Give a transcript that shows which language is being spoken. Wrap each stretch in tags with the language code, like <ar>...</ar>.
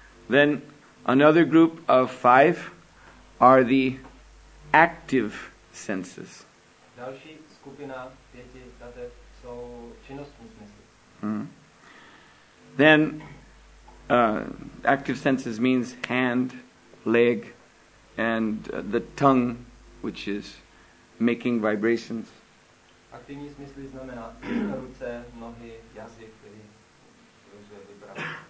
<en>Then another group of 5 are the active senses.</en> <cs>Další skupina pěti datev jsou činnostní smysly. Hmm?</cs> <en>Then active senses means hand, leg, and the tongue, which is making vibrations.</en> <cs>Aktivní smysly znamená ruce, nohy, jazyk, který rozvíjí vibrace.</cs>